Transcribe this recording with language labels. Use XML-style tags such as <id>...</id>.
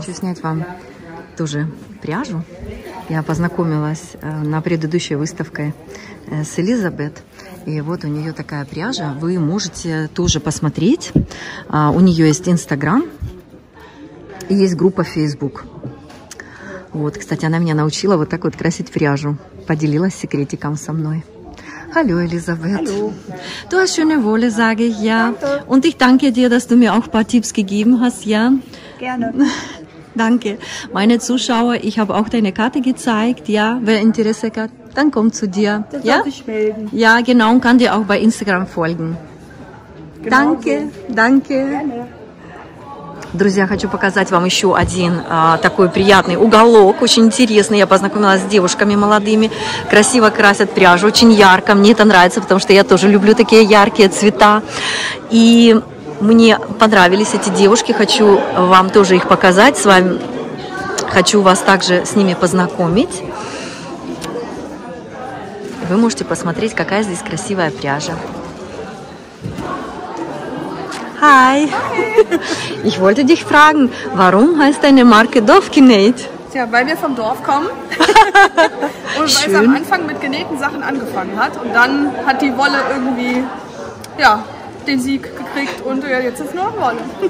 <ru>Хочу снять вам тоже пряжу. Я познакомилась на предыдущей выставке с Элизабет. И вот у нее такая пряжа, вы можете тоже посмотреть. У нее есть Инстаграм и есть группа Фейсбук. Вот, кстати, она меня научила вот так вот красить пряжу. Поделилась секретиком со мной.</ru> <de>Hallo, Elisabeth. Hallo. Du hast schöne Wolle, sage ich ja. Und ich danke dir, dass du mir auch ein paar Tipps gegeben hast, ja? Gerne. Danke. Meine Zuschauer, ich habe auch deine Karte gezeigt, ja? Wer Interesse hat, dann kommt zu dir. Das ja? Darf ich melden. Ja, genau, und kann dir auch bei Instagram folgen. Genau danke, so. Danke. Gerne.</de> <ru>Друзья, хочу показать вам еще один такой приятный уголок, очень интересный. Я познакомилась с девушками молодыми, красиво красят пряжу, очень ярко. Мне это нравится, потому что я тоже люблю такие яркие цвета. И... Мне понравились эти девушки, хочу вам тоже их показать с вами, хочу вас также с ними познакомить. Вы можете посмотреть, какая здесь красивая пряжа.</ru> <de>Hi! Hi. Ich wollte dich fragen, warum heißt deine Marke Dorfgenäht? Tja, weil wir vom Dorf kommen und weil es am Anfang mit genähten Sachen angefangen hat und dann hat die Wolle irgendwie, ja... den Sieg gekriegt und ja, jetzt ist nur Wolle.</de>